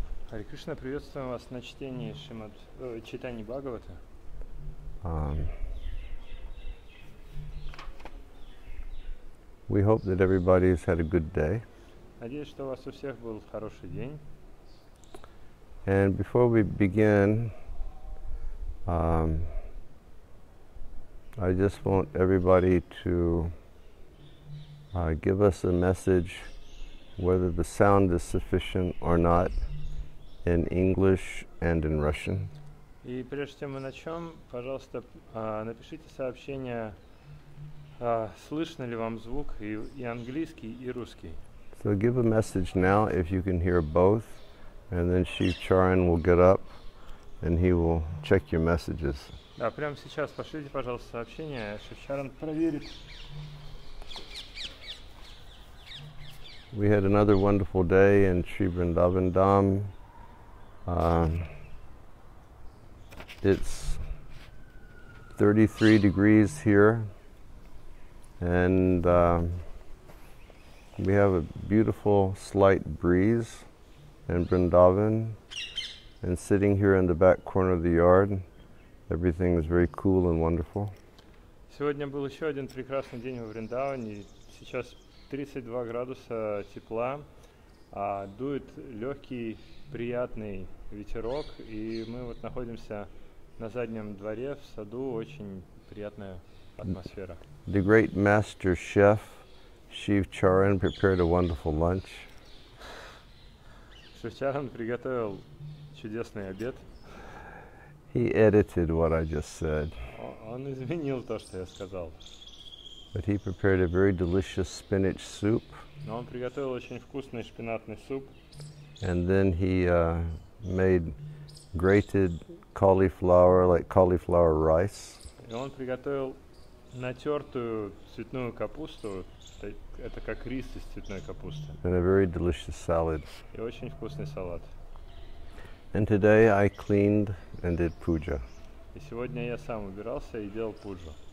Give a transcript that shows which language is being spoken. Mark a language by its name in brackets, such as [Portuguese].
[Russian] Hare Krishna, приветствуем вас на чтении Шримад Чайтаньи Бхагавата. [English] We hope that everybody has had a good day. [Russian] Надеюсь, что у вас у всех был хороший день. [English] And before we begin, I just want everybody to give us a message, whether the sound is sufficient or not, in English and in Russian. [Russian] И прежде чем мы начнем, пожалуйста, напишите сообщение, слышно ли вам звук и английский, и русский. [English] So give a message now if you can hear both, and then Chief Charan will get up and he will check your messages. [Russian] Да, прямо сейчас пошлите, пожалуйста, сообщение, Шеф Чаран проверит. [English] We had another wonderful day in Sri Vrindavan Dham. It's 33 degrees here, and we have a beautiful slight breeze in Vrindavan, and sitting here in the back corner of the yard, everything is very cool and wonderful. [Russian] Сегодня был еще один прекрасный день во Вриндаване. Сейчас 32 градуса тепла, а дует легкий, приятный ветерок, и мы вот находимся на заднем дворе в саду, очень приятная атмосфера. [English] The great master chef Shiv Charan prepared a wonderful lunch. [Russian] Шив Чаран приготовил чудесный обед. [English] He edited what I just said. [Russian] Он изменил то, что я сказал. [English] But he prepared a very delicious spinach soup. [Russian] Но он приготовил очень вкусный шпинатный суп. [English] And then he made grated cauliflower, like cauliflower rice. [Russian] И он приготовил натертую цветную капусту. Это как рис из цветной капусты. [English] And a very delicious salad. [Russian] И очень вкусный салат. [English] And today I cleaned and did puja. [Russian] И сегодня я сам убирался и делал пуджу.